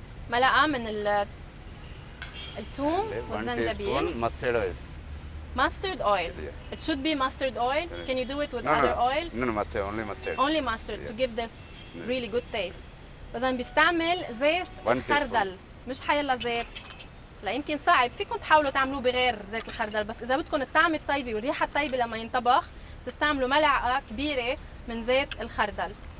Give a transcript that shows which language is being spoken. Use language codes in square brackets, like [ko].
[ar] ملعقة من الثوم والزنجبيل، [en] mustard oil. Mustard oil. Yeah. It should be mustard oil. Yeah. Can you do it with other oil? No, mustard, only mustard. Only mustard, yeah. To give this really good taste. [ar] بس عم بيستعمل زيت الخردل، مش حيلا زيت. لا يمكن صعب، فيكم تحاولوا تعملوه بغير زيت الخردل، بس إذا بدكم الطعم الطيبة والريحة الطيبة لما ينطبخ، تستعملوا ملعقة كبيرة من زيت الخردل.